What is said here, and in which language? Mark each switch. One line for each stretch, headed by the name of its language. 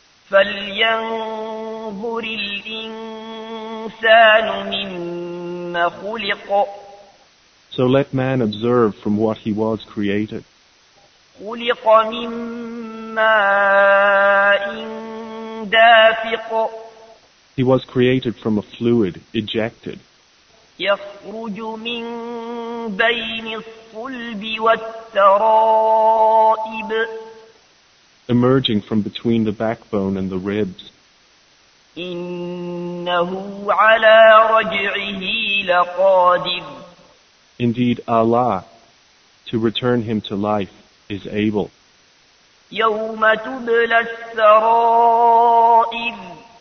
Arabic: فلينظر الإنسان مما خلق.
English: So let man observe from what he was created.
Arabic: خلق من ماء دافق
English: He was created from a fluid, ejected.
Arabic: يخرج من بين الصلب والترائب
English: Emerging from between the backbone and the ribs.
Arabic: إنه على رجعه لقادر
English: Indeed Allah, to return him to life, is able.
Arabic: يَوْمَ تُبْلَى السَّرَائِرُ